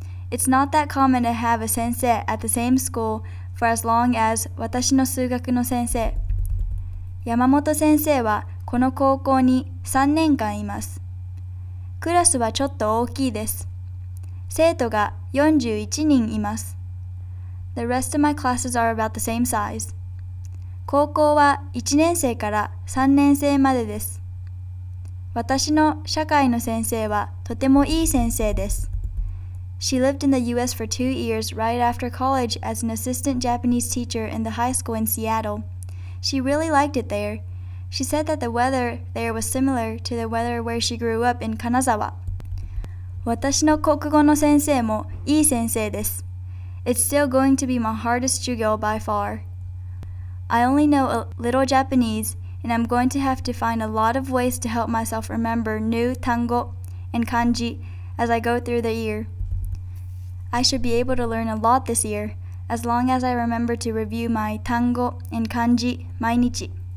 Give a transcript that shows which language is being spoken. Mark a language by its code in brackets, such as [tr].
[en] It's not that common to have a sensei at the same school for as long as [ja] 私の数学の先生。山本先生はこの高校に3年間います。クラスはちょっと大きいです。生徒が41人います。 [en] The rest of my classes are about the same size. [ja] 高校は1年生から3年生までです。私の社会の先生はとてもいい先生です。 [en] She lived in the U.S. for 2 years right after college as an assistant Japanese teacher in the high school in Seattle. She really liked it there. She said that the weather there was similar to the weather where she grew up in Kanazawa. [ja] 私の国語の先生もいい先生です。 [en] It's still going to be my hardest 授業 by far. I only know a little Japanese. And I'm going to have to find a lot of ways to help myself remember new tango and kanji as I go through the year. I should be able to learn a lot this year, as long as I remember to review my tango and kanji 毎日。